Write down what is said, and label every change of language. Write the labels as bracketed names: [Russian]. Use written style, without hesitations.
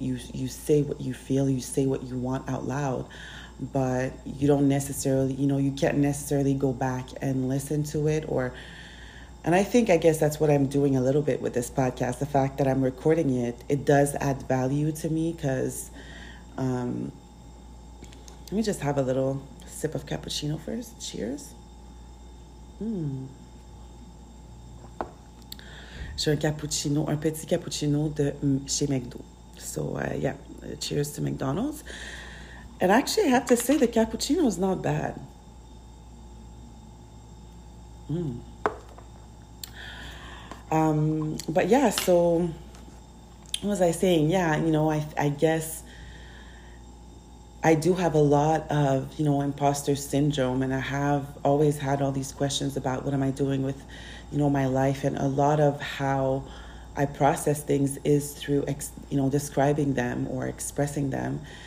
[English] You say what you feel, you say what you want out loud, but you don't necessarily, you know, you can't necessarily go back and listen to it or. And I think, I guess that's what I'm doing a little bit with this podcast. The fact that I'm recording it, it does add value to me because, let me just have a little sip of cappuccino first. Cheers. [French] J'ai un cappuccino, un petit cappuccino de chez McDo. [English] So, yeah, cheers to McDonald's. And actually, I have to say the cappuccino is not bad. But yeah, so what was I saying? Yeah, you know, I guess I do have a lot of, you know, imposter syndrome, and I have always had all these questions about what am I doing with, you know, my life, and a lot of how I process things is through, you know, describing them or expressing them.